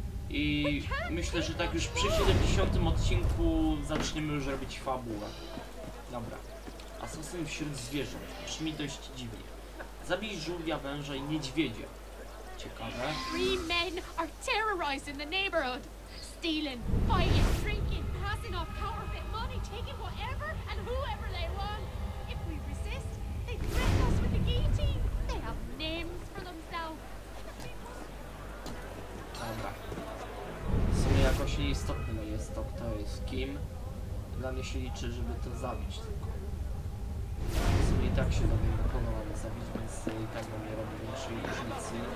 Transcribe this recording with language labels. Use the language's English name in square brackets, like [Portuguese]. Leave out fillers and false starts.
[Polish] I myślę, że tak już przy 70 odcinku zaczniemy już robić fabułę. Dobra. Asasyn wśród zwierząt. Brzmi dość dziwnie. Zabij żółwia, węża i niedźwiedzia. Ciekawe. [English] Three men are terrorized in the neighborhood. Stealing, fighting, drinking, passing off counterfeit money, taking whatever and whoever they want. If we resist, they threaten us with the guillotine. They have names for themselves. [Polish] Dobra. Jakoś nieistotne jest to, kto jest kim. Dla mnie się liczy, żeby to zabić tylko. W sumie i tak się do mnie proponowano zabić, więc i tak na mnie robi większej różnicy.